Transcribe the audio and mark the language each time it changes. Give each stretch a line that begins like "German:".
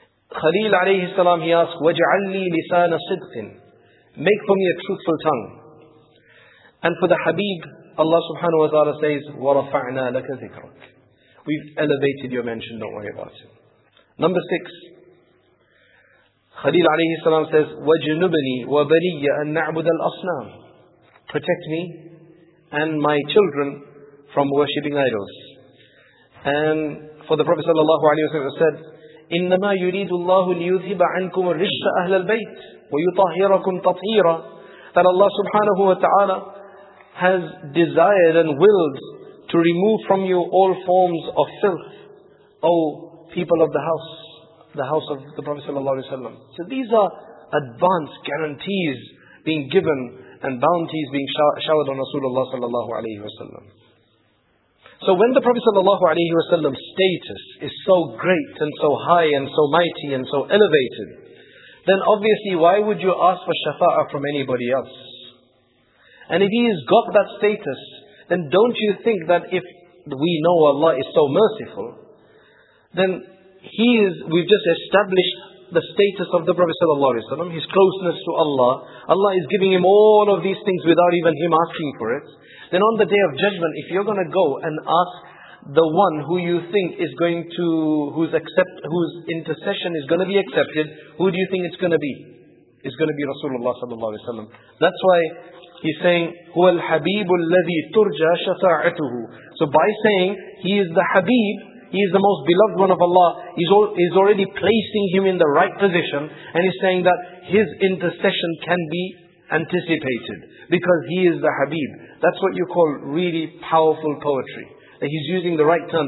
English: Khalil alayhi salam, he asked,
Arabic: Waj'alli lisana sidqin.
English: Make for me a truthful tongue. And for the Habib, Allah subhanahu wa ta'ala says,
Arabic: وَرَفَعْنَا لَكَ ذِكْرَكَ.
English: We've elevated your mention, don't worry about it. Number six.
Arabic: Khalil alayhi salam says, وَجْنُبْنِي وَبَنِيَّ أَن نَعْبُدَ الْأَصْنَامِ.
English: Protect me and my children from worshipping idols. And for the Prophet sallallahu alayhi wa sallam said,
Arabic: إِنَّمَا يُرِيدُ اللَّهُ لِيُذْهِبَ عَنْكُمُ الرِّجْسَ أَهْلَ الْبَيْتِ وَيُطَهِّرَكُمْ تَطْهِيرًا.
English: That Allah subhanahu wa ta'ala has desired and willed to remove from you all forms of filth, O people of the house of the Prophet sallallahu alayhi wa sallam. So these are advanced guarantees being given and bounties being showered on Rasulullah sallallahu alayhi wa sallam. So when the Prophet sallallahu alayhi wa sallam's status is so great and so high and so mighty and so elevated, then obviously why would you ask for shafa'ah from anybody else? And if he has got that status, then don't you think that if we know Allah is so merciful, then we've just established the status of the Prophet sallallahu alaihi wasallam, his closeness to Allah. Allah is giving him all of these things without even him asking for it. Then on the day of judgment, if you're going to go and ask the one who you think is going to, whose intercession is going to be accepted, who do you think it's going to be? It's going to be Rasulullah sallallahu alaihi wasallam. That's why he's saying,
Arabic: هُوَ الْحَبِيبُ الَّذِي تُرْجَى شَفَاعَتُهُ.
English: So by saying, he is the Habib, he is the most beloved one of Allah, he's already placing him in the right position, and he's saying that his intercession can be anticipated, because he is the Habib. That's what you call really powerful poetry. That he's using the right terms.